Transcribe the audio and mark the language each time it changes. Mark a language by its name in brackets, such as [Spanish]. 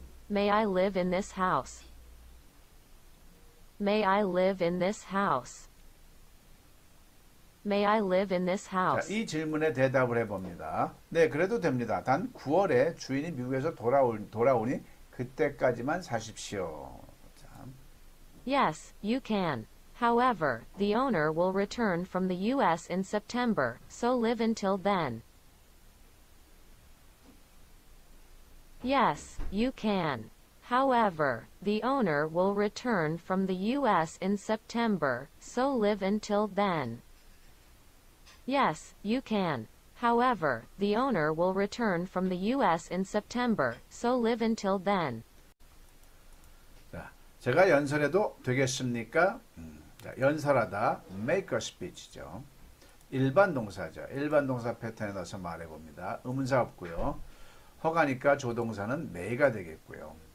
[English] May I live in this house? May I live in this house? May I live in this house? [Korean] 자, 이 질문에 대답을 해봅니다. 네, 그래도 됩니다. 단 9월에 주인이 미국에서 돌아오니 그때까지만 사십시오. 자. [English] Yes, you can. However, the owner will return from the U.S. in September, so live until then. Yes, you can. However, the owner will return from the U.S. in September, so live until then. Yes, you can. However, the owner will return from the U.S. in September, so live until then. [Korean] 자, 제가 연설해도 되겠습니까? 자, 연설하다, [English] make a speech [Korean] 죠. 일반 동사죠. 일반 동사 패턴에 넣어서 말해봅니다. 의문사 없고요. 허가니까 조동사는 may가 되겠고요.